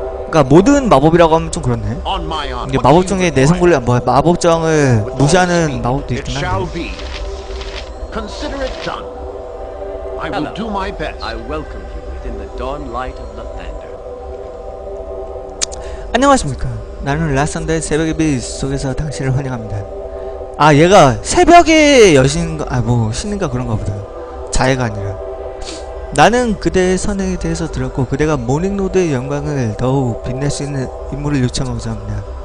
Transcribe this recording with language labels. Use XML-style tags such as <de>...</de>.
<ko>그러니까 모든 마법이라고 하면 좀 그렇네. 이게 마법 중에 내성 불림, 뭐 마법 저항을 무시하는 마법도 있긴 한데.</ko> <en>Consider it done. I will do my best. I welcome you within the dawn light of the</en> <ko>안녕하십니까. 나는 라산더의 새벽의 빛 속에서 당신을 환영합니다. 아, 얘가 새벽의 여신인가, 아, 뭐, 신인가 그런가 보다. 자해가 아니라. 나는 그대의 선행에 대해서 들었고, 그대가 모닝로드의 영광을 더욱 빛낼 수 있는 임무를 요청하고자 합니다.</ko>